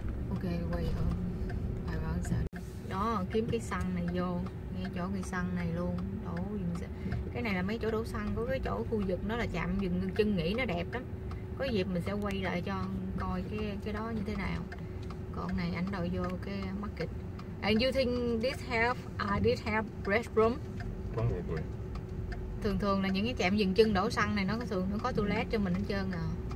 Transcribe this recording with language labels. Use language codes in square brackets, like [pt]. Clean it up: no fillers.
[en] Oh. Okay, wait. I will answer. [vi] Đó, kiếm cái xăng này vô. Ngay chỗ cái xăng này luôn. Đổ dừng xe. Cái này là mấy chỗ đổ xăng. Có cái chỗ khu vực nó là chạm dừng chân nghỉ, nó đẹp lắm. Có dịp mình sẽ quay lại cho coi cái đó như thế nào. Còn này ảnh đòi vô cái market. [en] And you think this have restroom? Probably. [vi] Thường thường là những cái trạm dừng chân đổ xăng này nó có toilet cho mình hết trơn à.